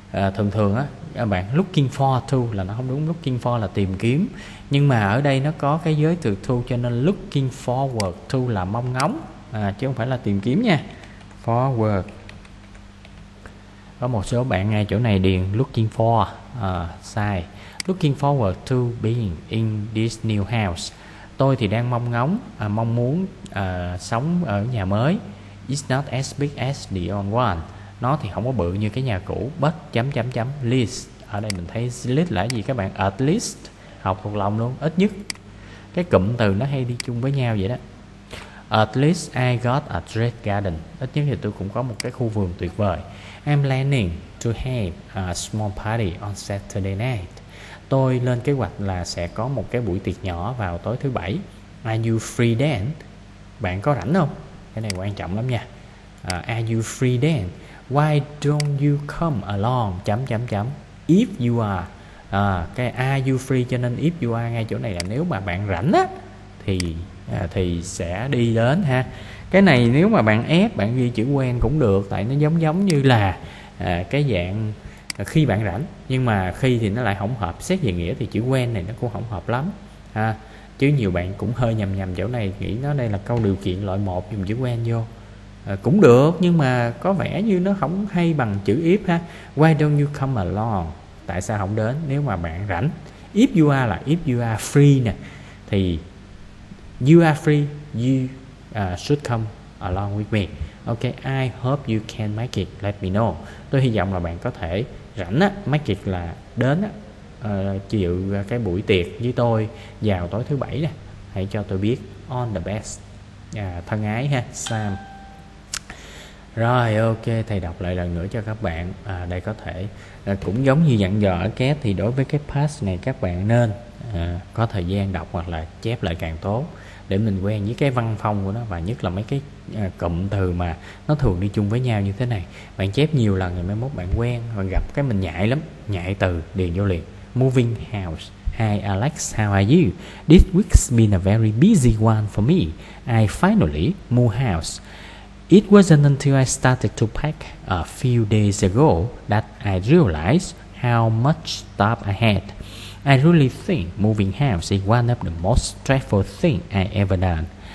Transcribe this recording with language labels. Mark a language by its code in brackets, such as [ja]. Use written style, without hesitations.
[vi] Thường thường á, các bạn [en] looking for to [vi] là nó không đúng, looking for là tìm kiếm, nhưng mà ở đây nó có cái giới từ to, cho nên [en] looking forward to [vi] là mong ngóng, chứ không phải là tìm kiếm nha. Forward, có một số bạn ngay chỗ này điền looking for sai. [en] Looking forward to being in this new house. [vi] Tôi thì đang mong ngóng, mong muốn sống ở nhà mới. [en] It's not as big as the old one. [vi] Nó thì không có bự như cái nhà cũ. [en] But least, [vi] ở đây mình thấy list là gì các bạn? [en] At least, [vi] học thuộc lòng luôn, ít nhất. Cái cụm từ nó hay đi chung với nhau vậy đó. [en] At least I got a great garden. [vi] Ít nhất thì tôi cũng có một cái khu vườn tuyệt vời. [en] I'm planning to have a small party on Saturday night. [vi] Tôi lên kế hoạch là sẽ có một cái buổi tiệc nhỏ vào tối thứ bảy. [en] Are you free then? [vi] Bạn có rảnh không? Cái này quan trọng lắm nha. [en] Are you free then? Why don't you come along? If you are, [vi] cái [en] are you free, [vi] cho nên [en] if you are [vi] ngay chỗ này là nếu mà bạn rảnh á thì sẽ đi đến ha. Cái này nếu mà bạn ép, bạn ghi chữ quen cũng được, tại nó giống giống như là cái dạng khi bạn rảnh, nhưng mà khi thì nó lại không hợp. Xét về nghĩa thì chữ when này nó cũng không hợp lắm ha. Chứ nhiều bạn cũng hơi nhầm chỗ này, nghĩ nó đây là câu điều kiện loại 1 dùng chữ when vô cũng được, nhưng mà có vẻ như nó không hay bằng chữ if ha. [en] Why don't you come along? [vi] Tại sao không đến nếu mà bạn rảnh? [en] If you are [vi] là [en] if you are free [vi] nè, thì [en] you are free, you should come along with me. Ok, I hope you can make it, let me know. [vi] Tôi hy vọng là bạn có thể rảnh á, [en] make it [vi] là đến á, chịu cái buổi tiệc với tôi vào tối thứ bảy nè, hãy cho tôi biết. [en] On the best, [vi] thân ái ha, Sam. Rồi, ok, thầy đọc lại lần nữa cho các bạn. Đây có thể cũng giống như dặn dò ở CAT, thì đối với cái pass này các bạn nên có thời gian đọc hoặc là chép lại càng tốt để mình quen với cái văn phong của nó, và nhất là mấy cái cụm từ mà nó thường đi chung với nhau như thế này. Bạn chép nhiều lần rồi mai mốt bạn quen, và gặp cái mình nhại lắm, nhại từ điền vô liền. [en] Moving house. Hi Alex, how are you? This week's been a very busy one for me. I finally moved house. It wasn't until I started to pack a few days ago that I realized how much stuff I had. I really think moving house is one of the most stressful things I ever done.